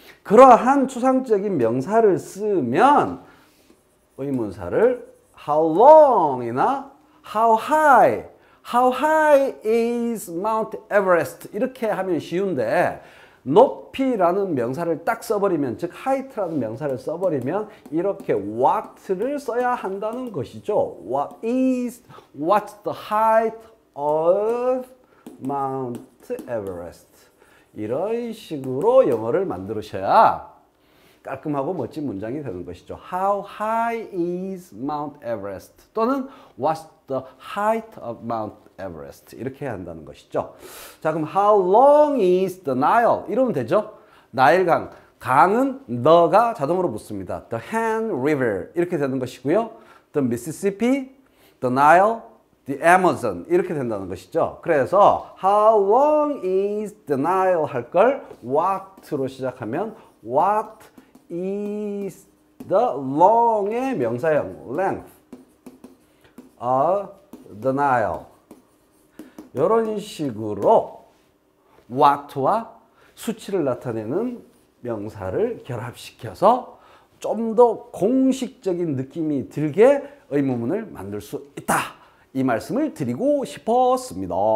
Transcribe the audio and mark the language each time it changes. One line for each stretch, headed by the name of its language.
Korean: 그러한 추상적인 명사를 쓰면 의문사를
English: how long이나 how high is Mount Everest
Korean: 이렇게 하면 쉬운데 높이라는 명사를 딱 써버리면 즉 height라는 명사를 써버리면 이렇게 what를 써야 한다는 것이죠.
English: What's the height of Mount Everest?
Korean: 이런 식으로 영어를 만드셔야 깔끔하고 멋진 문장이 되는 것이죠.
English: How high is Mount Everest? 또는 what's the height of Mount Everest
Korean: 이렇게 해야 한다는 것이죠. 자 그럼
English: How long is the Nile?
Korean: 이러면 되죠. 나일강, 강은 너가 자동으로 묻습니다. The Han River 이렇게 되는 것이고요. The Mississippi, The Nile, The Amazon 이렇게 된다는 것이죠. 그래서
English: How long is the Nile
Korean: 할 걸 What로 시작하면 What is the long의 명사형 Length of the Nile 이런 식으로 what와 수치를 나타내는 명사를 결합시켜서 좀 더 공식적인 느낌이 들게 의문문을 만들 수 있다. 이 말씀을 드리고 싶었습니다.